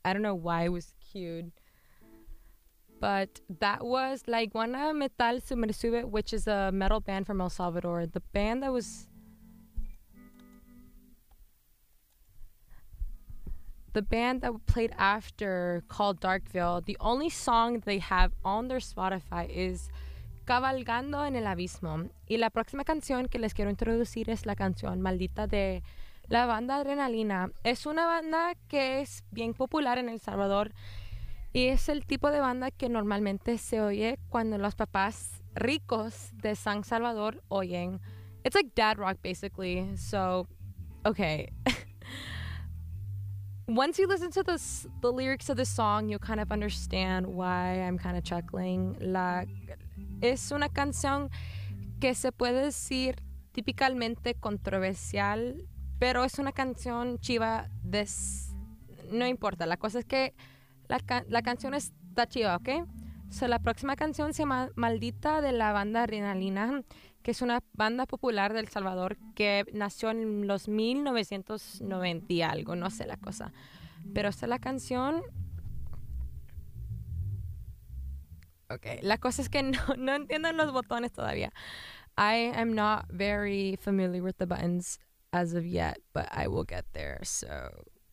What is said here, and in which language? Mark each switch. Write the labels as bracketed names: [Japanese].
[English] I don't know why it was queued. But that was La Iguana Metal Sumersube, which is a metal band from El Salvador. The band that was... The band that played after, called Darkville, the only song they have on their Spotify is Cabalgando en el Abismo. [Spanish] Y la próxima canción que les quiero introducir es la canción Maldita de la banda Adrenalina. Es una banda que es bien popular en El Salvador y es el tipo de banda que normalmente se oye cuando los papás ricos de San Salvador oyen. [English] It's like dad rock, basically. So, okay. Once you listen to the lyrics of the song, you'll kind of understand why I'm kind of chuckling. [Spanish] Es una canción que se puede decir típicamente controversial, pero es una canción chiva de... No importa, la cosa es que la canción está chiva, ¿ok? So, la próxima canción se llama Maldita de la banda Adrenalina, que es una banda popular de El Salvador que nació en los 1990 y algo, no sé la cosa. Pero esta es la canción. Ok, la cosa es que no entienden los botones todavía. [English] I am not very familiar with the buttons as of yet, but I will get there, so...